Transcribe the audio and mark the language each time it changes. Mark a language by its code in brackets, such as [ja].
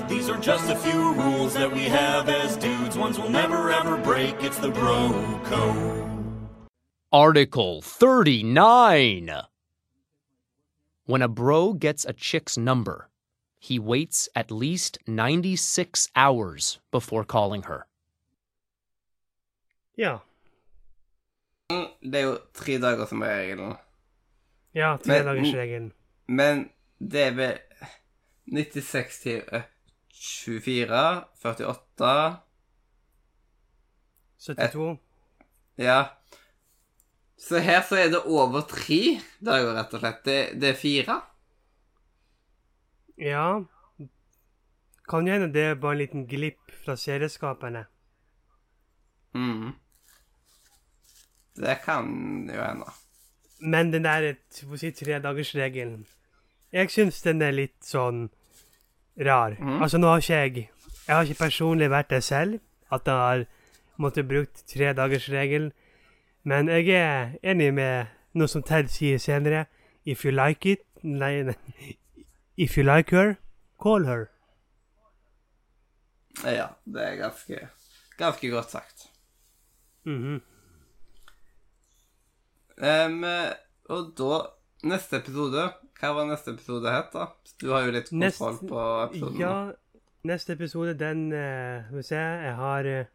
[en] These are just a few rules that we have as dudes, ones we'll never ever break, it's the bro code. Article 39. When a bro gets a chick's number, he waits at least 96 hours before calling her. [no] Ja. Det er jo 3 dager som er regelen. Ja, 3 dagers regelen. Men det er ved 96 til 24, 48. 72. Ja. Så her så er det over 3 dager, rett og slett. Det er 4. Ja. Kan jo hende det er bare en liten glipp fra serieskapene. Mm. Det kan jo hende. Men den der, hva si, 3-dagers-regelen. Jeg synes den er litt sånn rar. Mm. Altså, nå har ikke jeg har ikke personlig vært det selv, at jeg har måttet brukt 3-dagers-regelen. Men jeg er enig med noe som Ted sier senere. [en] If you like it, if you like her, call her. [no] Ja, det er ganske, ganske godt sagt. Mm-hmm. Og da, neste episode. Hva var neste episode het da? Du har jo litt kontroll på episoden. Ja, neste episode, den, vi ser, jeg har...